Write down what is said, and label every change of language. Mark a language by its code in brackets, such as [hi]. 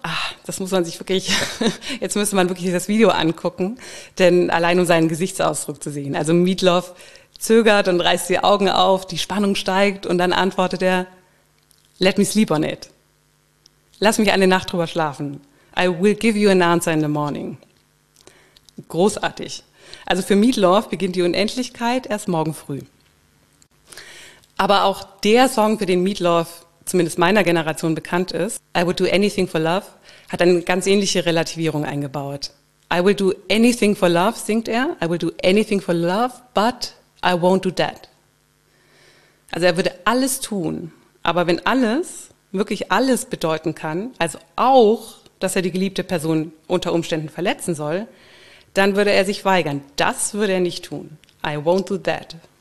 [de] Ach, das muss man sich wirklich, jetzt müsste man wirklich das Video angucken, denn allein um seinen Gesichtsausdruck zu sehen. Also Meatloaf zögert und reißt die Augen auf, die Spannung steigt und dann antwortet er, [en] let me sleep on it. [de] Lass mich eine Nacht drüber schlafen. [en] I will give you an answer in the morning. [de] Großartig. Also für Meatloaf beginnt die Unendlichkeit erst morgen früh. Aber auch der Song, für den Meatloaf zumindest meiner Generation bekannt ist, I would do anything for love, hat eine ganz ähnliche Relativierung eingebaut. [en] I will do anything for love, [de] singt er. [en] I will do anything for love, but I won't do that. [de] Also er würde alles tun, aber wenn alles, wirklich alles bedeuten kann, also auch, dass er die geliebte Person unter Umständen verletzen soll, dann würde er sich weigern. Das würde er nicht tun. [en] I won't do that.